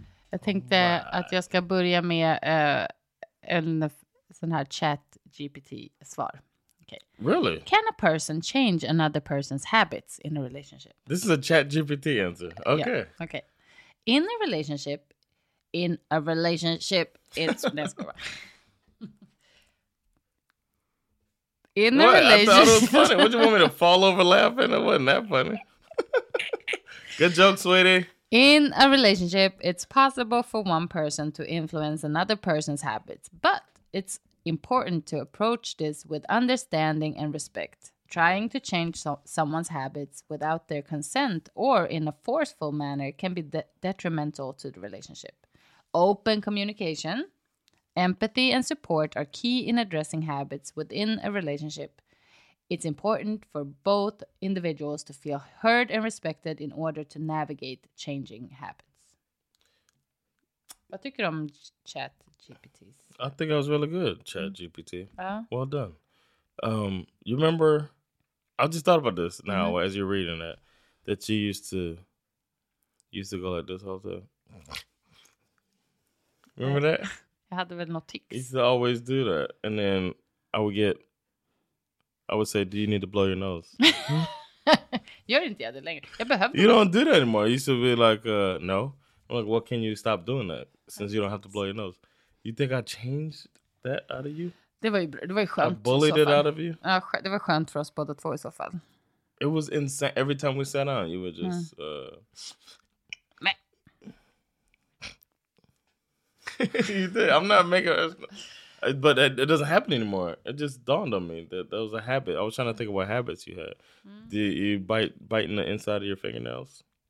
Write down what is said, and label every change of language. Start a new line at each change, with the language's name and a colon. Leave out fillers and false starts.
Swedish: Jag tänkte att jag ska börja med en sån här chat GPT-svar.
English: Okay. Really? Can a person change another person's habits in a relationship? This is a chat GPT answer. Okay. Yeah. Okay. In a relationship, it's a relationship. What? What do you want me to fall over laughing? It wasn't that funny. Good joke, sweetie. In a relationship, it's possible for one person to influence another person's habits, but it's important to approach this with understanding and respect. Trying to change someone's habits without their consent or in a forceful manner can be detrimental to the relationship. Open communication, empathy, and support are key in addressing habits within a relationship. It's important for both individuals to feel heard and respected in order to navigate changing habits.
Swedish: Vad tycker du om ChatGPT?
English: I think I was really good, ChatGPT. Well done. You remember, I just thought about this now as you're reading it, that you used to go like this all the time. Remember that?
Swedish: Jag hade väl något tics.
English: You used to always do that. And then I would say, do you need to blow your nose?
Swedish: Gör inte jag det längre. Jag behöver.
English: You don't do that anymore. You used to be like, no. I'm like, well, can you stop doing that? Since you don't have to blow your nose. You think I changed that out of you?
Swedish: Det var ju skönt.
English: I bullied it out of you?
Swedish: Ja, det var skönt för oss båda två i så fall.
English: It was insane. Every time we sat down, you were just... You did. I'm not making... But it doesn't happen anymore. It just dawned on me that that was a habit. I was trying to think of what habits you had. You biting the inside of your fingernails?